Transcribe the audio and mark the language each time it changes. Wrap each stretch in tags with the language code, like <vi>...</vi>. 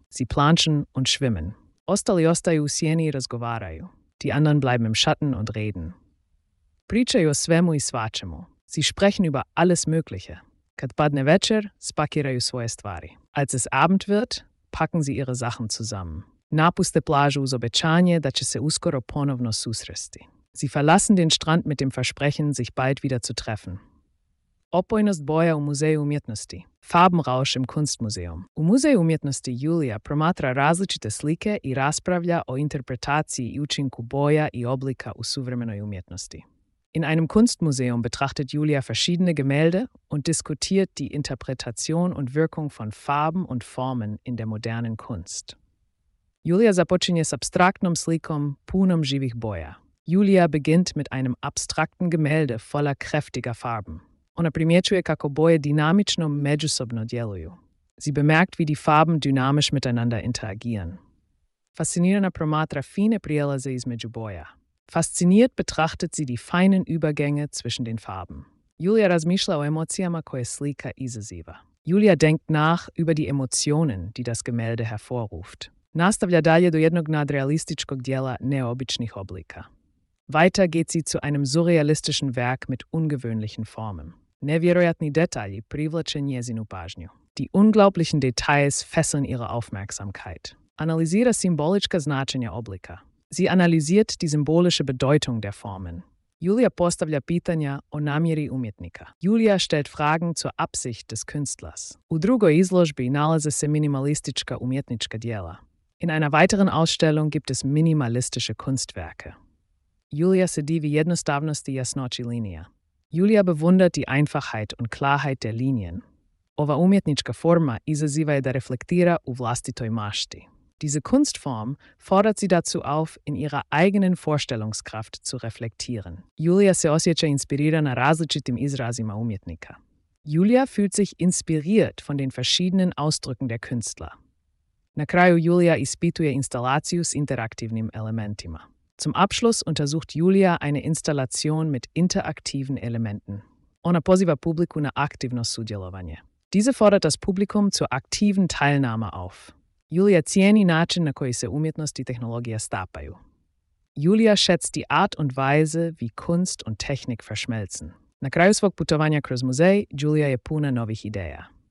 <de>Sie planschen und schwimmen.</de> <hr>Ostali ostaju u sjeni i razgovaraju.</hr> <de>Die anderen bleiben im Schatten und reden.</de> <hr>Pričaju o svemu i svačemu.</hr> <de>Sie sprechen über alles Mögliche.</de> <hr>Kad padne večer, spakiraju svoje stvari.</hr> <de>Als es Abend wird, packen sie ihre Sachen zusammen.</de> <hr>Napuste plažu uz obećanje da će se uskoro ponovno susresti.</hr> <de>Sie verlassen den Strand mit dem Versprechen, sich bald wieder zu treffen.</de> <hr>Opojnost boja u muzeju umjetnosti.</hr> <de>Farbenrausch im Kunstmuseum.</de> <hr>U muzeju umjetnosti Julija promatra različite slike i raspravlja o interpretaciji i učinku boja i oblika u suvremenoj umjetnosti.</hr> <de>In einem Kunstmuseum betrachtet Julia verschiedene Gemälde und diskutiert die Interpretation und Wirkung von Farben und Formen in der modernen Kunst.</de> <hr>Julia započinje s abstraktnom slikom punom živih boja.</hr> <de>Julia beginnt mit einem abstrakten Gemälde voller kräftiger Farben.</de> <hr>Ona primjećuje kako boje dinamično međusobno djeluju.</hr> <de>Sie bemerkt, wie die Farben dynamisch miteinander interagieren.</de> <hr>Faszinirana promatra fine prijelaze između boja.</hr> <de>Fasziniert betrachtet sie die feinen Übergänge zwischen den Farben.</de> <hr>Julia razmišlja o emocijama koje slika izaziva.</hr> <de>Julia denkt nach über die Emotionen, die das Gemälde hervorruft.</de> <hr>Nastavlja dalje do jednog nadrealističkog djela neobičnih oblika.</hr> <de>Weiter geht sie zu einem surrealistischen Werk mit ungewöhnlichen Formen.</de> <hr>Nevjerojatni detalji privlače njezinu pažnju.</hr> <de>Die unglaublichen Details fesseln ihre Aufmerksamkeit.</de> <hr>Analizira simbolička značenja oblika.</hr> <de>Sie analysiert die symbolische Bedeutung der Formen.</de> <hr>Julia postavlja pitanja o namjeri umjetnika.</hr> <de>Julia stellt Fragen zur Absicht des Künstlers.</de> <hr>U drugoj izložbi nalaze se minimalistička umjetnička djela.</hr> <de>In einer weiteren Ausstellung gibt es minimalistische Kunstwerke.</de> <hr>Julia se divi jednostavnosti jasnoći linija.</hr> <de>Julia bewundert die Einfachheit und Klarheit der Linien.</de> <hr>Ova umjetnička forma izaziva je da reflektira u vlastitoj mašti.</hr> <de>Diese Kunstform fordert sie dazu auf, in ihrer eigenen Vorstellungskraft zu reflektieren.</de> <hr>Julia se osjeća inspirirana različitim izrazima umjetnika.</hr> <de>Julia fühlt sich inspiriert von den verschiedenen Ausdrücken der Künstler.</de> <hr>Na kraju Julia ispituje instalaciju s interaktivnim elementima.</hr> <de>Zum Abschluss untersucht Julia eine Installation mit interaktiven Elementen.</de> <hr>Ona poziva publiku na aktivno sudjelovanje.</hr> <de>Diese fordert das Publikum zur aktiven Teilnahme auf.</de> <hr>Julia cijeni način na koji se umjetnost i tehnologija stapaju.</hr> <de>Julia schätzt die Art und Weise, wie Kunst und Technik verschmelzen.</de> <hr>Na kraju svog putovanja kroz muzej, Julia je puna novih ideja.</hr>